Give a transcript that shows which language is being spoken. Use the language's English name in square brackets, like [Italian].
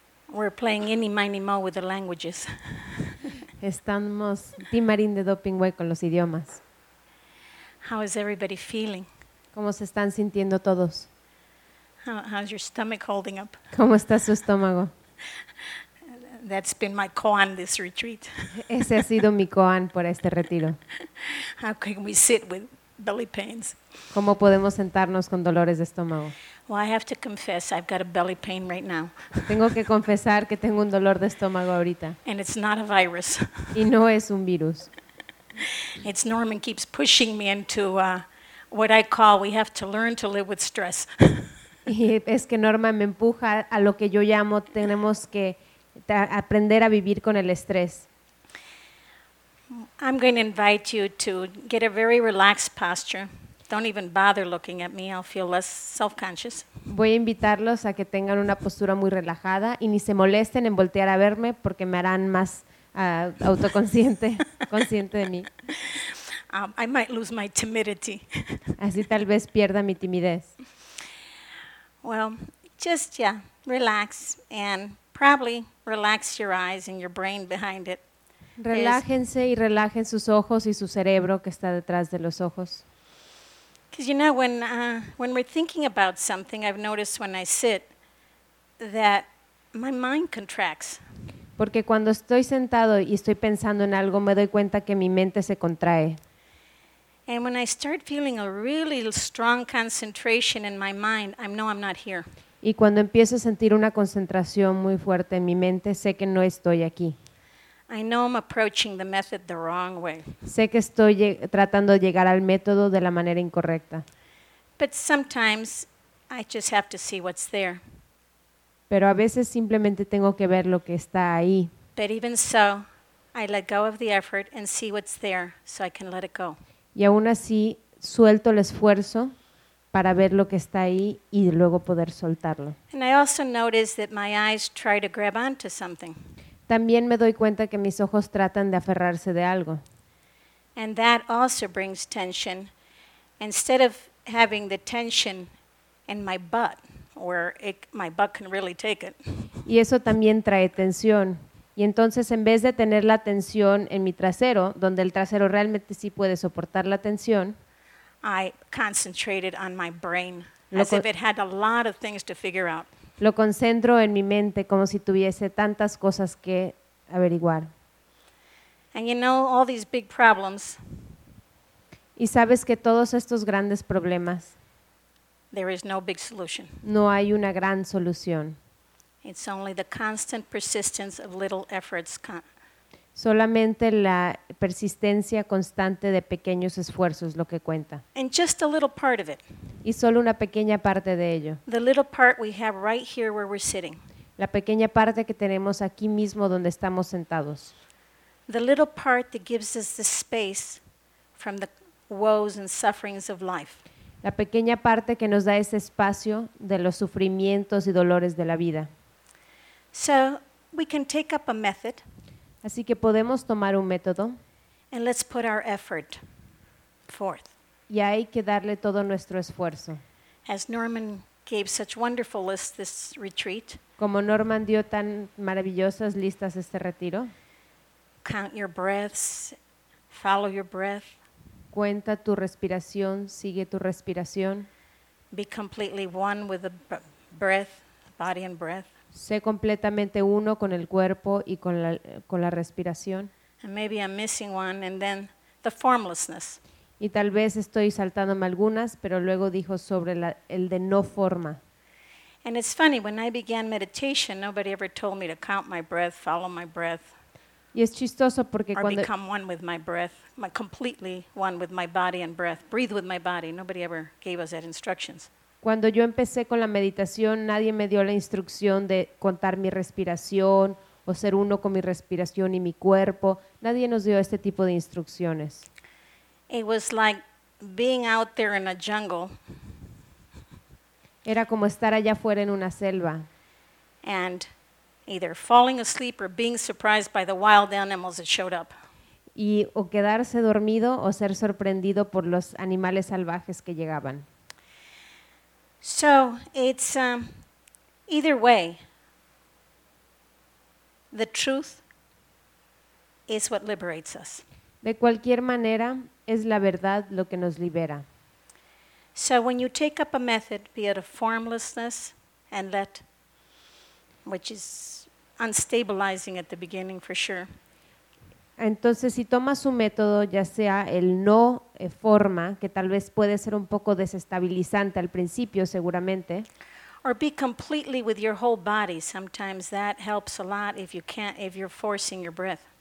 [English] We're playing any mini mo with the languages. [Spanish] Estamos timarín de doping way con los idiomas. [English] How is everybody feeling? [Spanish] ¿Cómo se están sintiendo todos? [English] How's your stomach holding up? [Spanish] ¿Cómo está su estómago? [English] That's been my koan this retreat. [Spanish] Ese ha sido mi koan para este retiro. [English] How can we sit with belly pains? [Spanish] ¿Cómo podemos sentarnos con dolores de estómago? [English] Well, I have to confess, I've got a belly pain right now. [Spanish] Tengo que confesar que tengo un dolor de estómago ahorita. [English] And it's not a virus. [Spanish] Y no es un virus. [English] It's Norman keeps pushing me into what I call we have to learn to live with stress. [Spanish] Y es que Norman me empuja a lo que yo llamo tenemos que aprender a vivir con el estrés. [English] I'm going to invite you to get a very relaxed posture. Don't even bother looking at me. I'll feel less self-conscious. [Spanish] Voy a invitarlos a que tengan una postura muy relajada y ni se molesten en voltear a verme porque me harán más autoconsciente, consciente de mí. [English] I might lose my timidity. [Spanish] Así tal vez pierda mi timidez. [English] Well, just yeah, relax and probably relax your eyes and your brain behind it. [Spanish] Relájense y relajen sus ojos y su cerebro que está detrás de los ojos. [English] Because you know when we're thinking about something, I've noticed when I sit that my mind contracts. [Spanish] Porque cuando estoy sentado y estoy pensando en algo, me doy cuenta que mi mente se contrae. [English] And when I start feeling a really strong concentration in my mind, I know I'm not here. [Spanish] Y cuando empiezo a sentir una concentración muy fuerte en mi mente, sé que no estoy aquí. [English] I know I'm approaching the method the wrong way. [Spanish] Sé que estoy tratando de llegar al método de la manera incorrecta. [English] But sometimes I just have to see what's there. [Spanish] Pero a veces simplemente tengo que ver lo que está ahí. [English] But even so, I let go of the effort and see what's there so I can let it go. [Spanish] Y aún así suelto el esfuerzo para ver lo que está ahí y luego poder soltarlo. [English] And I also notice that my eyes try to grab onto something. [Spanish] También me doy cuenta que mis ojos tratan de aferrarse de algo. [English] And that also brings tension. Instead of having the tension in my butt, where my butt can really take it. [Spanish] Y eso también trae tensión. Y entonces, en vez de tener la tensión en mi trasero, donde el trasero realmente sí puede soportar la tensión, [English] I concentrated on my brain, as if it had a lot of things to figure out. [Spanish] Lo concentro en mi mente como si tuviese tantas cosas que averiguar. [English] And you know, all these big problems, [Spanish] y sabes que todos estos grandes problemas, [English] there is no big solution. [Spanish] No hay una gran solución. [English] It's only the constant persistence of little efforts. [Spanish] Solamente la persistencia constante de pequeños esfuerzos lo que cuenta. [English] And just a little part of it. [Spanish] Y solo una pequeña parte de ello. [English] The little part we have right here where we're sitting. [Spanish] La pequeña parte que tenemos aquí mismo donde estamos sentados. [English] The little part that gives us the space from the woes and sufferings of life. [Spanish] La pequeña parte que nos da ese espacio de los sufrimientos y dolores de la vida. [English] So we can take up a method. [Spanish] Así que podemos tomar un método. [English] And let's put our effort forth. [Spanish] Y hay que darle todo nuestro esfuerzo. [English] As Norman gave such wonderful lists this retreat. [Spanish] Como Norman dio tan maravillosas listas este retiro. [English] Count your breaths. Follow your breath. [Spanish] Cuenta tu respiración. Sigue tu respiración. [English] Be completely one with the breath, body and breath. [Spanish] Sé completamente uno con el cuerpo y con la respiración. [English] And maybe I'm missing one, and then the formlessness. [Spanish] Y tal vez estoy saltándome algunas, pero luego dijo sobre el de no forma. [English] And it's funny, when I began meditation, nobody ever told me to count my breath, follow my breath. [Spanish] Y es chistoso porque cuando [English] become one with my breath, completely one with my body and breath, breathe with my body. Nobody ever gave us that instructions. [Spanish] Cuando yo empecé con la meditación, nadie me dio la instrucción de contar mi respiración o ser uno con mi respiración y mi cuerpo. Nadie nos dio este tipo de instrucciones. [English] It was like being out there in a jungle. [Spanish] Era como estar allá afuera en una selva. [English] And either falling asleep or being surprised by the wild animals that showed up. [Spanish] Y o quedarse dormido o ser sorprendido por los animales salvajes que llegaban. [English] So it's either way, the truth is what liberates us. [Spanish] De cualquier manera, es la verdad lo que nos libera. [English] So when you take up a method, be it a formlessness and let, which is unstabilizing at the beginning for sure. [Spanish] Entonces, si tomas un método, ya sea el no forma, que tal vez puede ser un poco desestabilizante al principio, seguramente. [English] Or be completely with your whole body. Sometimes that helps a lot if you can't, if you're forcing your breath.